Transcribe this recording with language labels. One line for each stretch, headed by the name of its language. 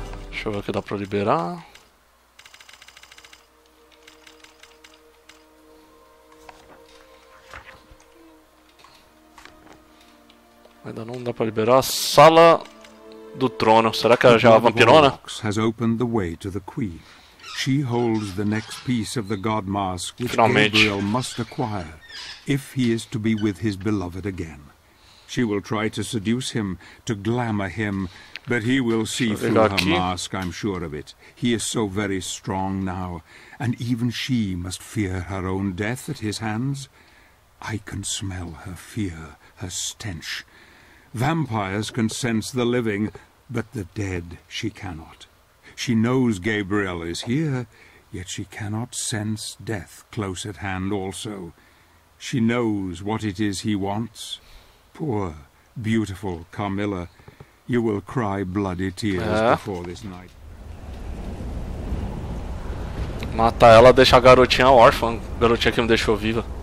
Portuguese: Deixa eu ver o que dá pra liberar. Ainda não dá pra liberar a sala do trono. Será que ela já é a vampirona? Finalmente.
English: She holds the next piece of the god mask which Gabriel must acquire. If he is to be with his beloved again, she will try to seduce him, to glamour him, but he will see through her mask, I'm sure of it. He is so very strong now, and even she must fear her own death at his hands. I can smell her fear, her stench. Vampires can sense the living, but the dead she cannot. She knows Gabriel is here, yet she cannot sense death close at hand also. She knows what it is he wants. Poor, beautiful Carmilla, you will cry bloody tears before this night.
Portuguese: Matar ela deixa a garotinha órfã, garotinha que me deixou viva.